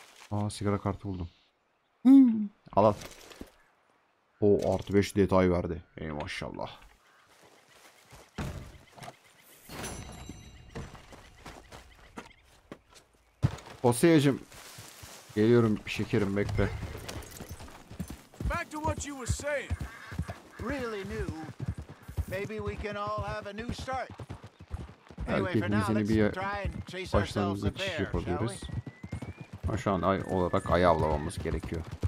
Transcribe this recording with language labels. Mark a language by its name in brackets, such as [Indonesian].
[Turkish] Aa, sigara kartı buldum. Al al. O artı 5 detay verdi. Ey maşallah. Jose'cim, geliyorum şekerim, bekle. [English] Back to what you were saying. Really new. Maybe we can all have a new start. Anyway, for now, let's try and chase ourselves a bear, shall we? [Turkish] Ha, şu an ay olarak ayı avlamamız gerekiyor.